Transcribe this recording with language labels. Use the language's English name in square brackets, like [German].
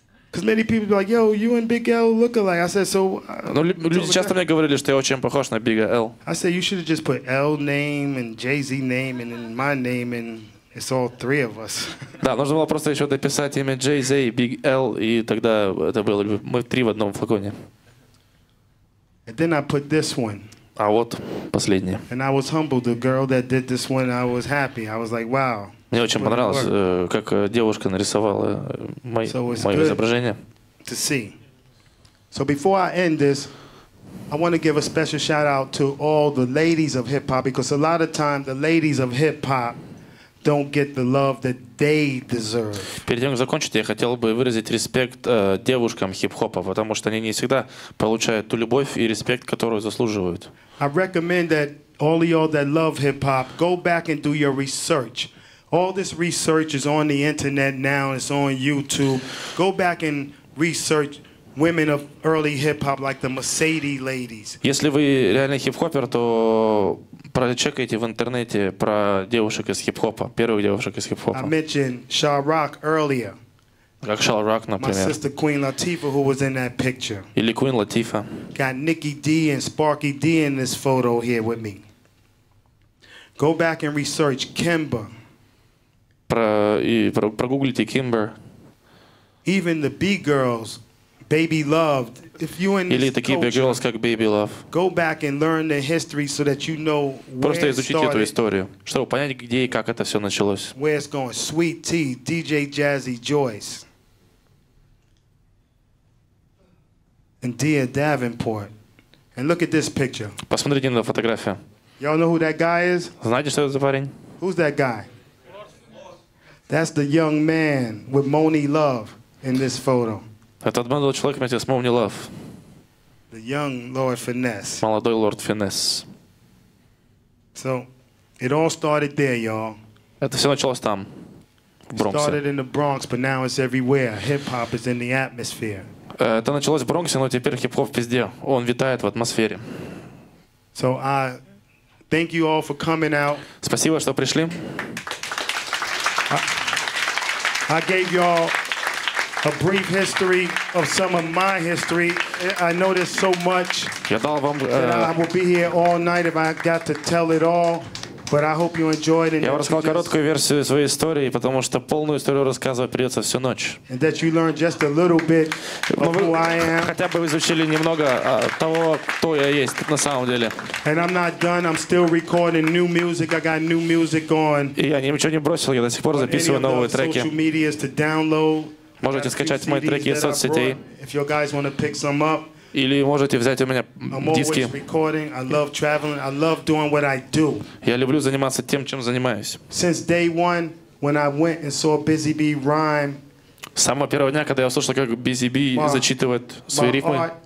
[English] Because many people be like, yo, you and Big L look alike. I said, so. [Russian] Ну, люди часто мне говорили, что я очень похож на Big L. [English] I said, you should have just put L name and Jay-Z name and then my name and. It's all three of us. [Russian] Да, нужно было просто еще дописать имя Jay-Z, Big L, и тогда это было мы три в одном флаконе. [English] And then I put this one. [Russian] А вот последнее. [English] And I was humbled. The girl that did this one, I was happy. I was like, wow. [Russian] Мне очень понравилось, как девушка нарисовала мое изображение. [English] To see. So before I end this, I want to give a special shout out to all the ladies of hip hop, because a lot of times the ladies of hip hop don't get the love that they deserve. [Russian] Перед тем, как закончить, я хотел бы выразить респект девушкам хип-хопа, потому что они не всегда получают ту любовь и респект, которую заслуживают. [English] I recommend that all of y'all that love hip-hop, go back and do your research. All this research is on the internet now, it's on YouTube. Go back and research women of early hip-hop, like the Mercedes ladies. [Russian] Если вы реально хип-хопер, то прочекайте в интернете про девушек из хип-хопа, первых девушек из хип-хопа. [English] I mentioned Sha Rock earlier. [Russian] Как Sha Rock, например. [English] My sister Queen Latifah, who was in that picture. [Russian] Или Queen Latifah. [English] Got Nikki D and Sparky D in this photo here with me. Go back and research Kimber. [Russian] Прогуглите Kimber. [English] Even the B-girls, Baby Love. If you in [Russian] или такие [English] culture, big girls, [Russian] как Baby Love. [English] Go back and learn the history so that you know where. [Russian] Просто изучите [English] started, [Russian] эту историю, чтобы понять, где и как это все началось. [English] Where it's going. Sweet Tea, DJ Jazzy Joyce. And Dia Davenport. And look at this picture. [Russian] Посмотрите на фотографию. [English] Y'all know who that guy is? [Russian] Знаете, что это за парень? [English] Who's that guy? That's the young man with Moni Love in this photo. [Russian] Этот молодой человек вместе с Moni Love. [English] The young Lord Finesse. [Russian] Молодой Лорд Финесс. [English] So, it all started there, y'all. [Russian] Это все началось там, в Бронксе. [English] It started in the Bronx, but now it's everywhere. Hip-hop is in the atmosphere. [Russian] Это началось в Бронксе, но теперь хип-хоп везде. Он витает в атмосфере. [English] So I thank you all for coming out. [Russian] Спасибо, что пришли. [English] I gave y'all a brief history of some of my history. I know there's so much. [Russian] Я дал вам, [English] I will be here all night if I got to tell it all. But I hope you enjoyed it. [Russian] Я вам рассказал короткую версию своей истории, потому что полную историю рассказывать придется всю ночь. [English] And that you learned just a little bit of who I am. [Russian] Хотя бы вы изучили немного того, кто я есть на самом деле. [English] And I'm not done. I'm still recording new music. I got new music on. [Russian] И я ничего не бросил. Я до сих пор записываю новые треки. [English] Social media to download. [Russian] Можете скачать мои треки из соцсетей. [English] If you guys want to pick some up. [Russian] Или можете взять у меня диски. [English] Recording. I love traveling. I love doing what I do. [Russian] Я люблю заниматься тем, чем занимаюсь. [English] Since day one, when I went and saw Busy Bee rhyme. [Russian] С самого первого дня, когда я услышал, как Busy Bee зачитывает свои рифмы.